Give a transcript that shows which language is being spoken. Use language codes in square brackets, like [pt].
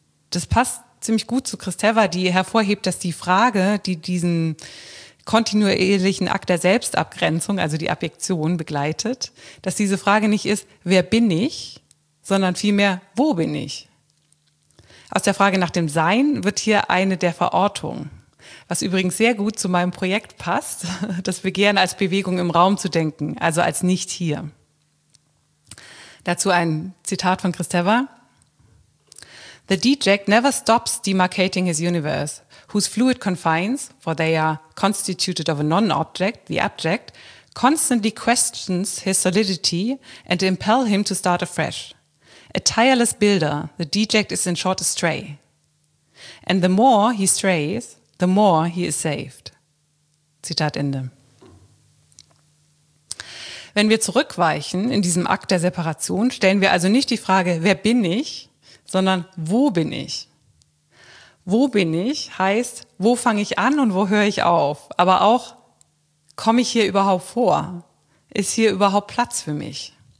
[de] Das passt ziemlich gut zu Kristeva, die hervorhebt, dass die Frage, die diesen kontinuierlichen Akt der Selbstabgrenzung, also die Abjektion, begleitet, dass diese Frage nicht ist, wer bin ich, sondern vielmehr, wo bin ich? Aus der Frage nach dem Sein wird hier eine der Verortungen, was übrigens sehr gut zu meinem Projekt passt, das Begehren als Bewegung im Raum zu denken, also als nicht hier. Dazu ein Zitat von Kristeva. [en] The D-Jack never stops demarcating his universe, whose fluid confines, for they are constituted of a non-object, the abject, constantly questions his solidity and impel him to start afresh. A tireless builder, the D-Jack is in short a stray. And the more he strays, the more he is saved. [de] Zitat Ende. Wenn wir zurückweichen in diesem Akt der Separation, stellen wir also nicht die Frage, wer bin ich, sondern wo bin ich? Wo bin ich heißt, wo fange ich an und wo höre ich auf? Aber auch, komme ich hier überhaupt vor? Ist hier überhaupt Platz für mich?